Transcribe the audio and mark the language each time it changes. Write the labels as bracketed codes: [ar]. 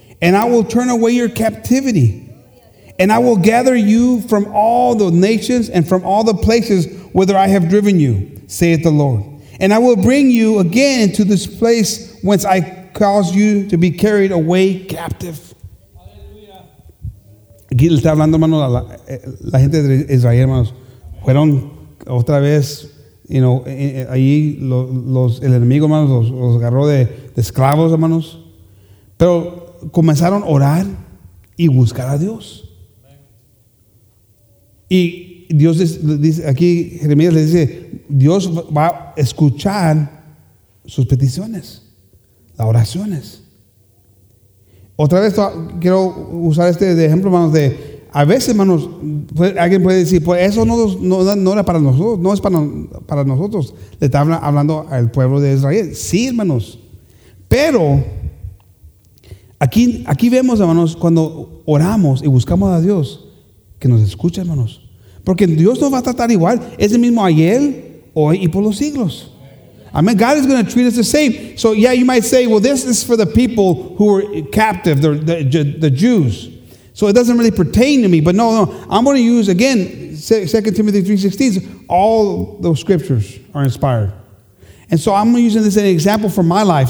[en] And I will turn away your captivity. And I will gather you from all the nations and from all the places whither I have driven you, saith the Lord. And I will bring you again into this place whence I caused you to be carried away captive. Hallelujah. [es] Aquí le está hablando, hermano, la gente de Israel, hermanos. Fueron otra vez, you know, allí el enemigo, hermanos, los agarró de esclavos, hermanos. Pero comenzaron a orar y buscar a Dios. Y Dios dice aquí, Jeremías le dice, Dios va a escuchar sus peticiones, las oraciones. Otra vez quiero usar este ejemplo, hermanos, de a veces, hermanos, alguien puede decir, pues eso no era para nosotros, no es para nosotros. Le está hablando al pueblo de Israel. Sí, hermanos. Pero aquí vemos, hermanos, cuando oramos y buscamos a Dios, que nos escucha, hermanos. Porque Dios nos va a tratar igual. Es el mismo ayer, hoy y por los siglos. Amen. [en] God is going to treat us the same. So yeah, you might say, well, this is for the people who were captive, the Jews. So it doesn't really pertain to me. But no, no, I'm going to use, again, 2 Timothy 3:16. All those scriptures are inspired. And so I'm using this as an example for my life.